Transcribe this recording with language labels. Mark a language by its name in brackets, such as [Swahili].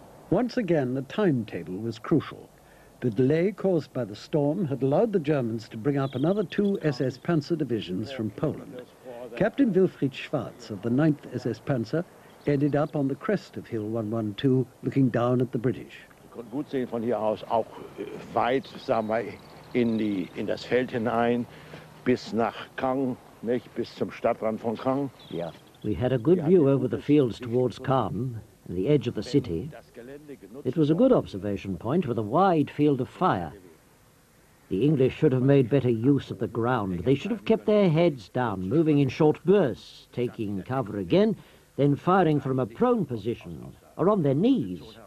[English] Once again, the timetable was crucial. The delay caused by the storm had allowed the Germans to bring up another 2 SS Panzer divisions from Poland. Captain Wilfried Schwarz of the 9th SS Panzer ended up on the crest of Hill 112, looking down at the British. [German] Gut sehen von hier aus auch weit, sagen wir, in das Feld hinein, bis nach Caen, nicht bis zum Stadtrand von Caen. [English] Yeah. We had a good view over the fields towards Caen, the edge of the city. It was a good observation point with a wide field of fire. The English should have made better use of the ground. They should have kept their heads down, moving in short bursts, taking cover again, then firing from a prone position or on their knees.